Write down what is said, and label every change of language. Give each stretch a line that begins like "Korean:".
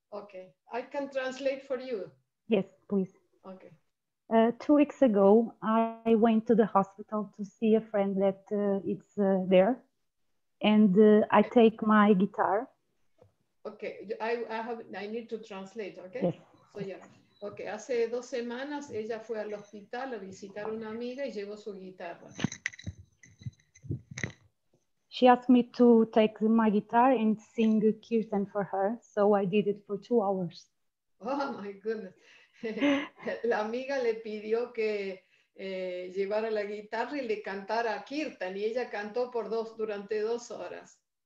English: Okay, I can translate for you. Yes, please. Okay. 2 weeks ago, I went to the hospital to see a friend that is there, and I take my guitar. Okay, I need to translate. Okay. Yes. So yeah. Okay.
Spanish: Hace 2 semanas, ella fue al hospital a visitar una amiga y llevó su guitarra.
English: She asked me to take my guitar and sing a kirtan for her, so I did it for 2 hours. Oh my goodness.
Spanish: La amiga le pidió que llevara la guitarra y le cantara kirtan, y ella cantó durante 2 horas.